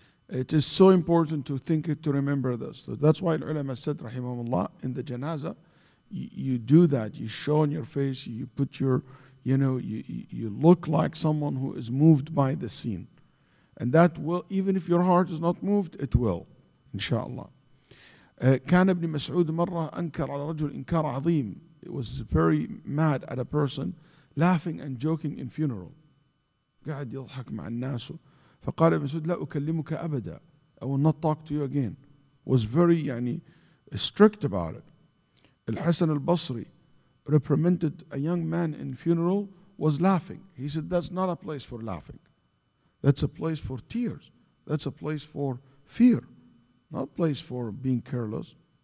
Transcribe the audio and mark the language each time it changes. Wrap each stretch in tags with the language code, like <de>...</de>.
<en>It is so important to think it, to remember this. So that's why ulama said, rahimahumullah, in the janazah, you do that. You show on your face, you put your, you know, you look like someone who is moved by the scene. And that will, even if your heart is not moved, it will, inshallah.</en> <ar>كان ابن مسعود مرة أنكر على رجل إنكار عظيم.</ar> <en>It was very mad at a person, laughing and joking in funeral.</en> <ar>قاعد يضحك مع الناس. فقال ابن مسعود لا أكلمك أبدا.</ar> <en>I will not talk to you again. Was very يعني strict about it. الحسن البصري reprimanded a young man in funeral, was laughing. He said that's not a place for laughing. That's a place for tears. That's a place for fear. Not a place for being careless.</en>